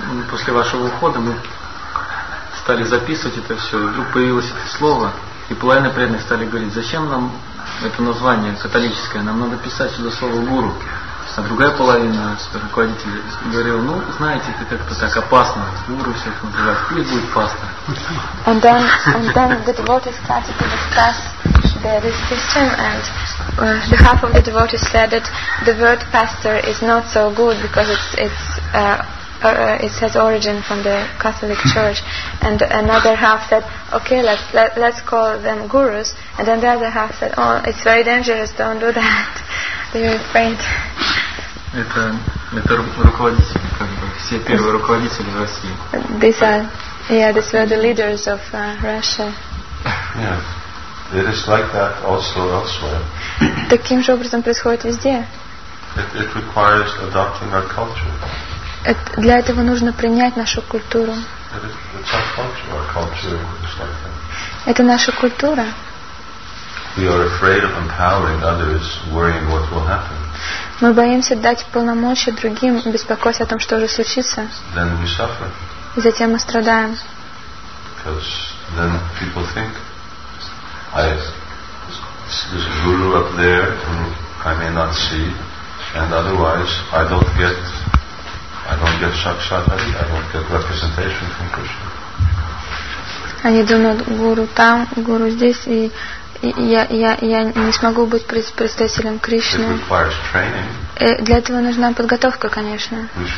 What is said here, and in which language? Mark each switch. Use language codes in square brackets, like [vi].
[ru] после вашего ухода мы стали записывать это все, и вдруг появилось это слово, и половина преданных стали говорить, зачем нам это название католическое, нам надо писать сюда слово гуру. А другая половина руководителей говорила, ну, знаете, это как-то так опасно, гуру всех называют, пусть будет пастор. [en] And then the devotees started to discuss this system, and the half of the devotees said that the word pastor is not so good because it's it has origin from the Catholic Church, and another half said, okay, let's call them gurus, and then the other half said, oh, it's very dangerous, don't do that, they will faint. [ru] Это руководители, как бы, все первые руководители в России. [en] These are, yeah, these were the leaders of Russia. Yeah, it is like that also elsewhere. [ru] Таким же образом происходит везде. [en] It requires adopting our culture. [ru] Для этого нужно принять нашу культуру. [en] It's our culture. Our culture is like that. [ru] Это наша культура. [en] We are afraid of empowering others, worrying what will happen. [ru] Мы боимся дать полномочия другим, беспокоясь о том, что же случится. [en] Then we suffer. [ru] И затем мы страдаем. [en] Because then people think, I, there's a guru up there whom I may not see, and otherwise I don't get sakshatari, I don't get representation from Krishna. [ru] Они думают, гуру там, гуру здесь, и я не смогу быть представителем Кришны. Для этого нужна подготовка, конечно.